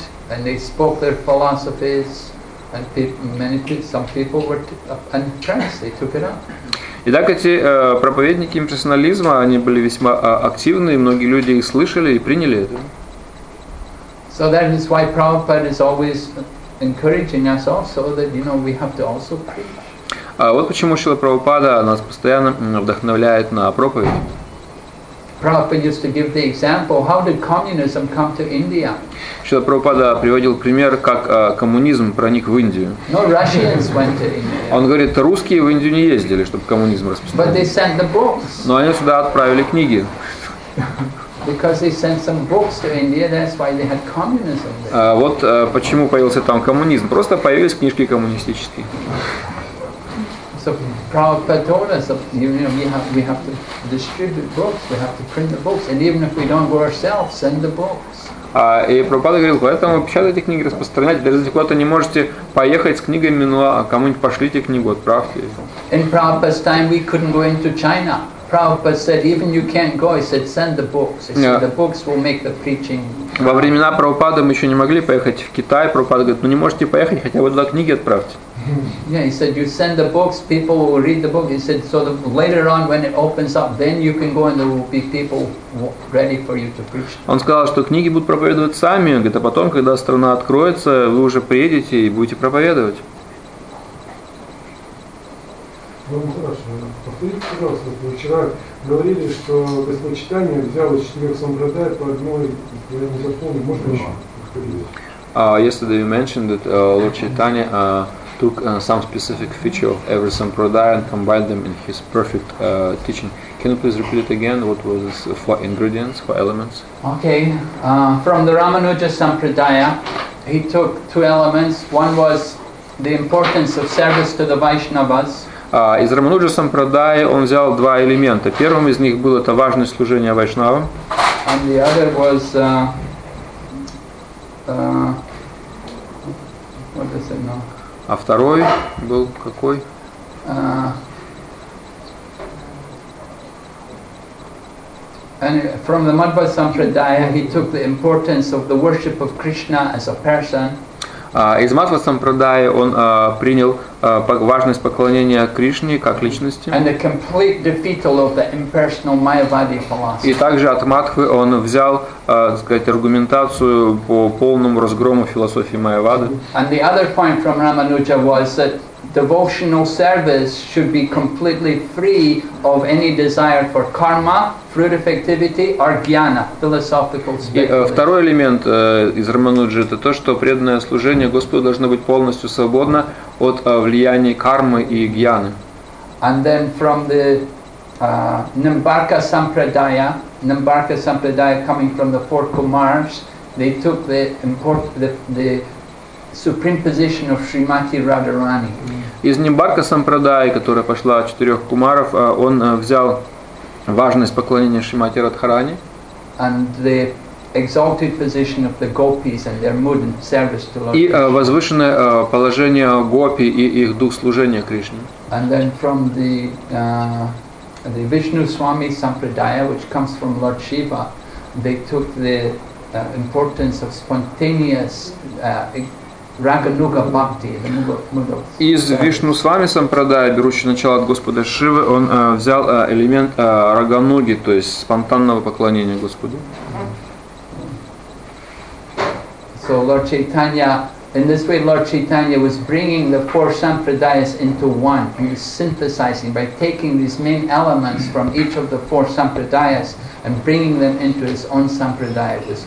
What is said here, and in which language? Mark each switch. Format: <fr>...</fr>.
<en>And they spoke their philosophies, and some people were impressed. They took it up.</en> <ru>Итак, эти проповедники имперсонализма, они были весьма активны, и многие люди их слышали и приняли это.</ru> <en>So that is why Prabhupada is always encouraging us also that you know we have to also preach.</en> <ru>А вот почему Шрила Прабхупада нас постоянно вдохновляет на проповеди.</ru> <en>Prabhupada used to give the example. How did communism come to India?</en> <ru>Шрила Прабхупада приводил пример, как коммунизм проник в Индию.</ru> <en>No Russians went to India.</en> <ru>Он говорит, русские в Индию не ездили, чтобы коммунизм распространить.</ru> <en>But they sent the books.</en> <ru>Но они сюда отправили книги.</ru> <en>Because they sent some books to India, that's why they had communism there.</en> <ru>Вот почему появился там коммунизм. Просто появились книжки коммунистические.</ru> <en>So Prabhupada told us, we have to distribute books, we have to print the books, and even if we don't go ourselves, send the books.</en> <ru>И Прабхупада говорил, поэтому печатайте книги, распространяйте, даже если куда-то не можете поехать с книгами, ну а кому-нибудь пошлите книгу, отправьте.</ru> <en>In Prabhupada's time, we couldn't go into China. Prabhupada said, even you can't go, he said, send the books. Yeah. The books will make the preaching.</en> <ru>Во времена Прабхупады мы еще не могли поехать в Китай. Прабхупада говорит, ну не можете поехать, хотя бы туда книги отправьте.</ru> <en>Yeah, he said, you send the books, people will read the book. He said, so the, later on, when it opens up, then you can go and there will be people ready for you to preach.</en> <ru>Он сказал, что книги будут проповедовать сами. Говорит, а потом, когда страна откроется, вы уже приедете и будете проповедовать. Ну хорошо, повторите, пожалуйста, вы вчера говорили, что Господь Читание взял из четырех сомбродай по одной, я не запомнил, можно еще повторить?</ru> <en>Yesterday you mentioned that Lord Chaitanya took some specific feature of every sampradaya and combined them in his perfect teaching. Can you please repeat it again? What was this for ingredients, for elements? Okay, from the Ramanuja Sampradaya, he took two elements. One was the importance of service to the Vaishnavas.</en> <ru>Из Рамануджа Сампрадаи он взял два элемента. Первым из них было это важность служения Вайшнавам.</ru> <en>And the other was...</en> <ru>А второй был какой?</ru> <en>And from the Madhva Sampradaya he took the importance of the worship of Krishna as a person.</en> <ru>Из Madhva Sampradaya он принял важность поклонения Кришне как личности.</ru> <en>And the complete defeatal of the impersonal Mayavadi philosophy.</en> <ru>И также от Мадхвы он взял, сказать, аргументацию по полному разгрому философии Майявады.</ru> <en>And the other point from Ramanuja was that devotional service should be completely free of any desire for karma, fruitive activity, or jnana, philosophical speculation.</en> <ru>Второй элемент из Рамануджи – это то, что преданное служение Господу должно быть полностью свободно от влияния кармы и гьяны.</ru> <en>And then from the Nimbarka Sampradaya, Nimbarka Sampradaya coming from the four Kumars, they took the supreme position of Srimati Radharani.</en> <ru>Из Нимбарка Сампрадаи, которая пошла от четырех кумаров, он взял важность поклонения Шримати Радхарани.</ru> <en>And the exalted position of the gopis and their mood and service to Lord.</en> <ru>И возвышенное положение гопи и их дух служения Кришне.</ru> <en>And then from the Vishnu Swami Sampradaya, which comes from Lord Shiva, they took the importance of spontaneous Raganuga Bhakti, the Mudas.</en> <ru>Из Вишну Свами Сампрадая, берущий начало от Господа Шивы, он взял элемент Рагануги, то есть спонтанного поклонения Господу.</ru> <en>So Lord Chaitanya, in this way Lord Chaitanya was bringing the four Sampradayas into one. He was synthesizing by taking these main elements from each of the four Sampradayas and bringing them into his own Sampradaya.</en>